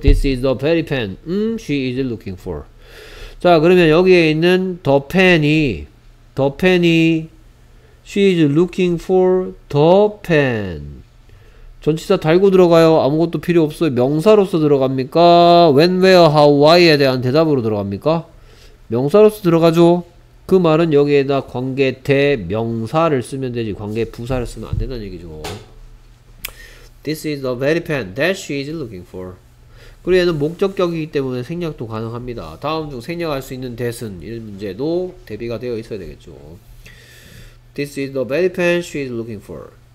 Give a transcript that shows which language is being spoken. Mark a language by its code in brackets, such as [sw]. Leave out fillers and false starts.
[en] This is the very pen. She is looking for. [ko] 자 그러면 여기에 있는 [en] the pen이 She is looking for the pen. [ko] 전치사 달고 들어가요? 아무것도 필요 없어요? 명사로서 들어갑니까? When, where, how, why에 대한 대답으로 들어갑니까? 명사로서 들어가죠. 그 말은 여기에다 관계 대명사를 쓰면 되지 관계 부사를 쓰면 안 된다는 얘기죠. [en] This is the very pen that she is looking for. [ko] 그리고 얘는 목적격이기 때문에 생략도 가능합니다. 다음 중 생략할 수 있는 that은 이런 문제도 대비가 되어 있어야 되겠죠. [en] This is the very pen she is looking for.